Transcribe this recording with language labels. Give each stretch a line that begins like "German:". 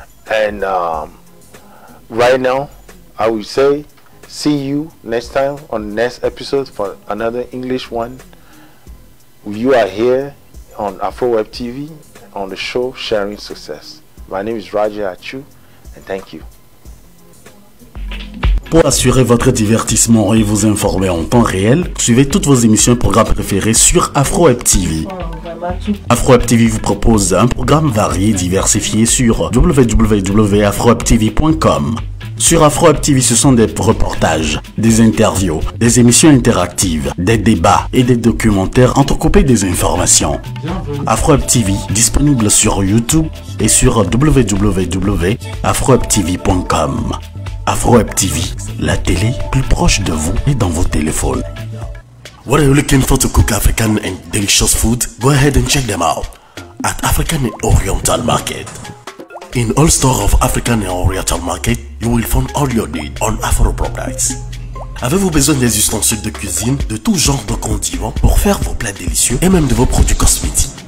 English: And right now, I will say, see you next time on the next episode for another English one. You are here on AfroWeb TV on the show Sharing Success. My name is Roger Achu, and thank you.
French: Pour assurer votre divertissement et vous informer en temps réel, suivez toutes vos émissions et programmes préférés sur AfroWeb TV. AfroWeb TV vous propose un programme varié et diversifié sur www.afroWebTV.com. Sur AfroWeb TV, ce sont des reportages, des interviews, des émissions interactives, des débats et des documentaires entrecoupés des informations. AfroWeb TV, disponible sur YouTube et sur www.afroWebTV.com. AfroWeb TV, la télé plus proche de vous et dans vos téléphones.
English: What are you looking for to cook African and delicious food? Go ahead and check them out at African and Oriental Market. In all stores of African and Oriental Market, you will find all your need on Afro products.
French: Avez-vous besoin des ustensiles de cuisine, de tout genre de condiments pour faire vos plats délicieux et même de vos produits cosmétiques?